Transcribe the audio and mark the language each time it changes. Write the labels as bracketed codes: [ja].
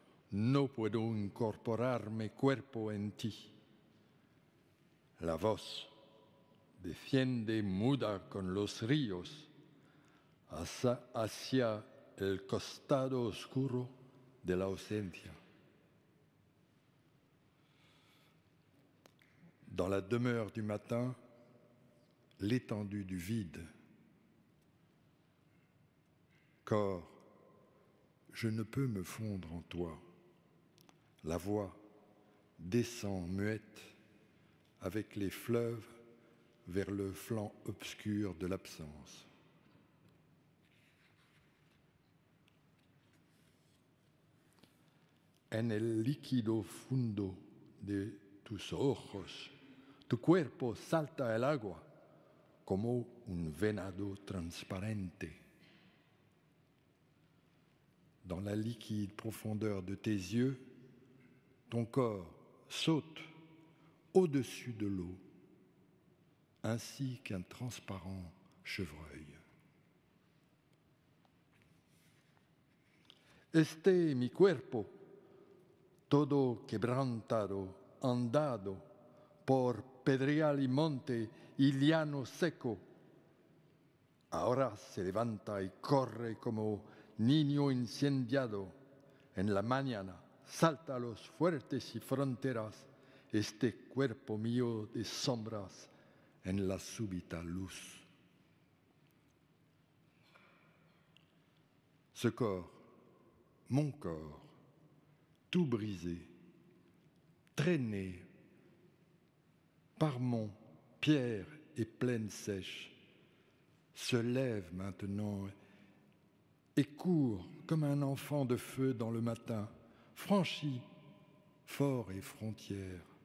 [es] No puedo incorporar mi cuerpo en ti. La voz desciende muda con los ríos hacia el costado oscuro de la ausencia. [fr] Dans la demeure du matin, l'étendue du vide. Corps, je ne peux me fondre en toi. La voix descend muette avec les fleuves vers le flanc obscur de l'absence. [es] En el líquido fondo de tus ojos, tu cuerpo salta el agua como un venado transparente. [fr] Dans la liquide profondeur de tes yeux, ton corps saute au-dessus de l'eau, ainsi qu'un transparent chevreuil. [es] Este mi cuerpo, todo quebrantado, andado por pedregal y monte y llano seco, ahora se levanta y corre como niño incendiado. En la mañana salta a los fuertes y fronteras este cuerpo mío de sombras en la súbita luz. [fr] Ce corps, mon corps, tout brisé, traîné par mon pierre et plaine sèche, se lève maintenant et court comme un enfant de feu dans le matin, franchi fort et frontière.